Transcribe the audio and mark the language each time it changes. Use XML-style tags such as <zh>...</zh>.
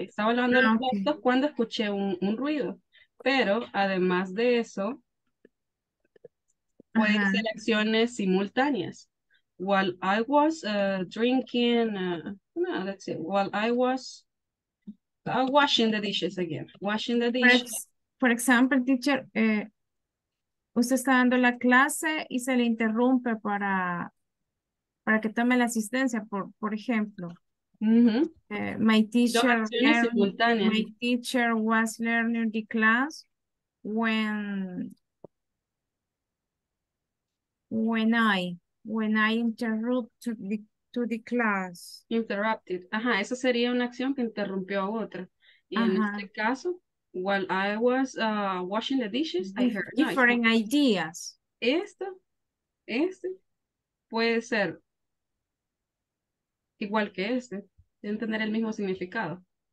<es>Estaba hablando de los puntos cuando escuché un ruido. Pero además de eso, pueden ser acciones simultáneas.</es> <en>While I was drinking, washing the dishes again. Washing the dishes.</en> <es>Por ejemplo, teacher, usted está dando la clase y se le interrumpe para que tome la asistencia, por ejemplo. Mm-hmm.</es> <en>My teacher was learning the class when I interrupted the class. Interrupted.</en> <es>Ajá, esa sería una acción que interrumpió a otra. Y en este caso,</es> <en>while I was washing the dishes, I heard different ideas.</en> <es>Este puede ser igual que este, deben tener el mismo significado.</es>